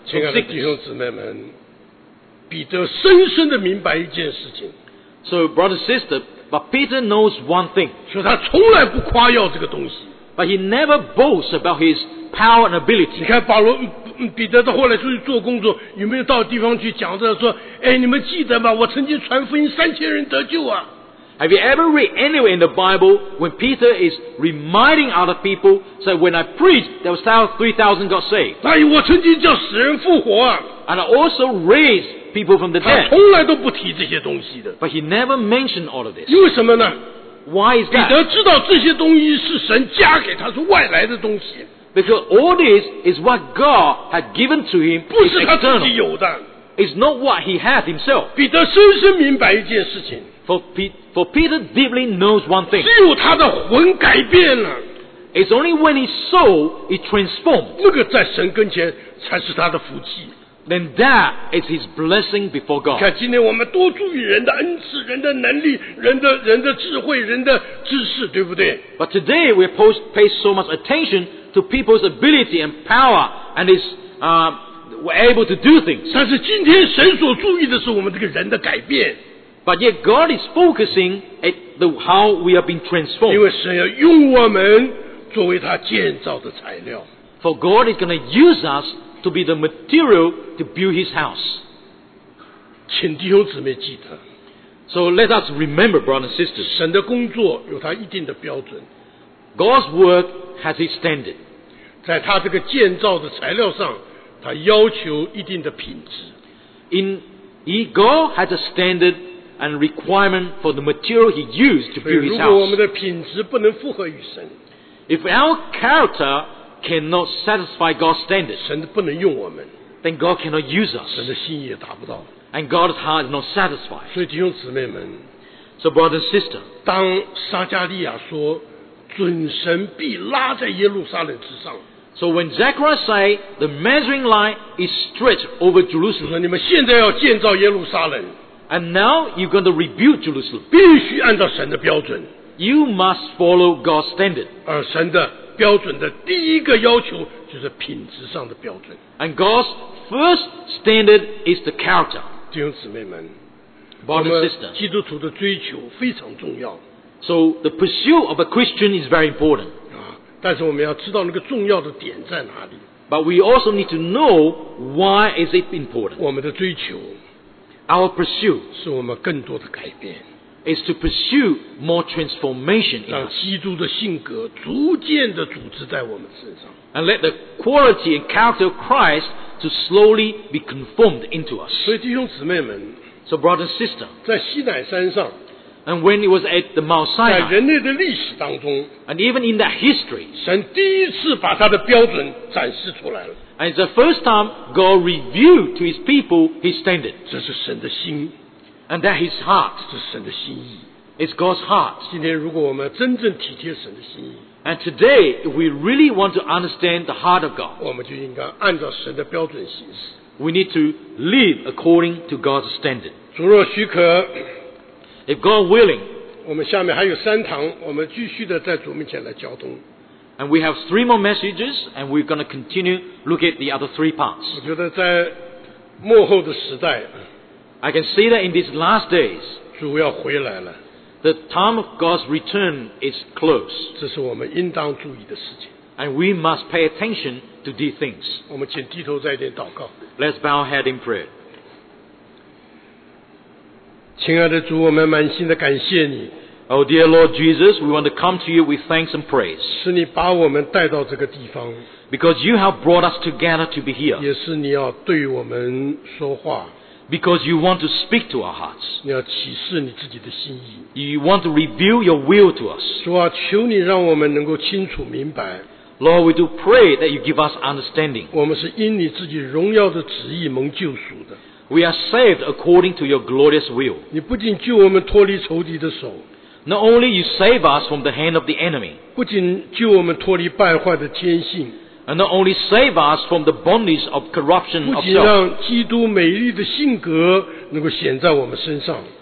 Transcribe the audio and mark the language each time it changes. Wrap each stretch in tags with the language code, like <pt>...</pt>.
<zh>亲爱的弟兄姊妹们，彼得深深地明白一件事情。</zh> <en>So, brother, sister. But Peter knows one thing.</en> <zh>说他从来不夸耀这个东西。</zh> <en>But he never boasts about his power and ability.</en> <zh>你看保罗、彼得到后来出去做工作，有没有到地方去讲着说，哎，你们记得吗？我曾经传福音三千人得救啊。</zh> <en>Have you ever read anywhere in the Bible when Peter is reminding other people, say, when I preached, there was 3,000 got saved.</en> <zh>哎，我曾经叫死人复活啊。</zh> <en>And I also raised. People from the dead.</en> <zh>他从来都不提这些东西的。</zh> <en>But he never mentioned all of this.</en> <zh>因为什么呢</zh> <en>？Why is that?</en> <zh>彼得知道这些东西是神加给他，是外来的东西。</zh> <en>Because all this is what God had given to him.</en> <zh>不是他自己有的。</zh> <en>It's not what he had himself.</en> <zh>彼得深深明白一件事情。</zh> <en>For Peter deeply knows one thing.</en> <zh>只有他的魂改变了。</zh> <en>It's only when his soul is transformed.</en> <zh>那个在神跟前才是他的福气。</zh> <en>Then that is his blessing before God.</en> <zh>看，今天我们多注意人的恩赐、人的能力、人的智慧、人的知识，对不对</zh> <en>？But today we pay so much attention to people's ability and power, and is we're able to do things.</en> <zh>但是今天神所注意的是我们这个人的改变。</zh> <en>But yet God is focusing it the, how we are being transformed.</en> <zh>因为神要用我们作为他建造的材料。</zh> <en>For God is going to use us to be the material to build His house.</en> <zh>请弟兄姊妹记得。</zh> <en>So let us remember, brothers and sisters.</en> <zh>神的工作有他一定的标准。</zh> <en>God's work has its standard.</en> <zh>在他这个建造的材料上，他要求一定的品质。</zh> <en>In God has a standard and requirement for the material He used to build His house.</en> <zh>如果我们的品质不能符合于神。</zh> <en>If our character cannot satisfy God's standard,</en> <zh>神不能用我们。</zh> <en>Then God cannot use us.</en> <zh>神的心意也达不到。</zh> <en>And God's heart is not satisfied.</en> <zh>所以弟兄姊妹们。</zh> <en>So brother and sister,</en> <zh>当撒迦利亚说准神必拉在耶路撒冷之上。</zh> <en>So when Zechariah say the measuring line is stretched over Jerusalem,</en> <zh>说你们现在要建造耶路撒冷。</zh> <en>And now you're going to rebuild Jerusalem.</en> <zh>必须按照神的标准。</zh> <en>You must follow God's standard.</en> <zh>而神的标准的第一个要求就是品质上的标准。</zh> <en>And God's first standard is the character.</en> <zh>弟兄姊妹们，</zh> <en>Brother and sister,</en> <zh>基督徒的追求非常重要。</zh> <en>So the pursuit of a Christian is very important.</en> <zh>但是我们要知道那个重要的点在哪里。</zh> <en>But we also need to know why is it important.</en> <zh>我们的追求，</zh> <en>Our pursuit,</en> <zh>是我们更多的改变。</zh> <en>Is to pursue more transformation in us.</en> <zh>让基督的性格逐渐地组织在我们身上。</zh> <en>And let the quality and character of Christ to slowly be conformed into us.</en> <zh>所以弟兄姊妹们，</zh> <en>So brother and sister,</en> <zh>在西乃山上，</zh> <en>And when it was at the Mount Sinai,</en> <zh>在人类的历史当中，</zh> <en>And even in that history,</en> <zh>神第一次把他的标准展示出来了。</zh> <en>And it's the first time God revealed to His people His standard.</en> <zh>这是神的心。</zh> <en>And that His heart,</en> <zh>这是神的心意。</zh> <en>It's God's heart.</en> <zh>今天如果我们真正体贴神的心意，</zh> <en>And today, if we really want to understand the heart of God,</en> <zh>我们就应该按照神的标准行事。</zh> <en>We need to live according to God's standard.</en> <zh>主若许可，</zh> <en>If God willing,</en> <zh>我们下面还有三堂，我们继续的在主面前来交通。</zh> <en>And we have three more messages, and we're going to continue look at the other three parts.</en> <zh>我觉得在末后的时代，</zh> <en>I can see that in these last days,</en> <zh>主要回来了。</zh> <en>The time of God's return is close.</en> <zh>这是我们应当注意的事情。</zh> <en>And we must pay attention to these things.</en> <zh>我们请低头再一点祷告。</zh> <en>Let's bow our head in prayer.</en> <zh>亲爱的主，我们满心的感谢你。</zh> <en>Oh dear Lord Jesus, we want to come to you with thanks and praise.</en> <zh>是你把我们带到这个地方。</zh> <en>Because you have brought us together to be here.</en> <zh>也是你要对我们说话。</zh> <en>Because you want to speak to our hearts.</en> <zh>你要启示你自己的心意。</zh> <en>You want to reveal your will to us.</en> <zh>主啊，求你让我们能够清楚明白。</zh> <en>Lord, we do pray that you give us understanding.</en> <zh>我们是因你自己荣耀的旨意蒙救赎的。</zh> <en>We are saved according to your glorious will.</en> <zh>你不仅救我们脱离仇敌的手。</zh> <en>Not only you save us from the hand of the enemy.</en> <zh>不仅救我们脱离败坏的奸信。</zh> <en>And not only save us from the bondage of corruption of self.</en> <zh>不仅让基督美丽的性格能够显在我们身上。</zh>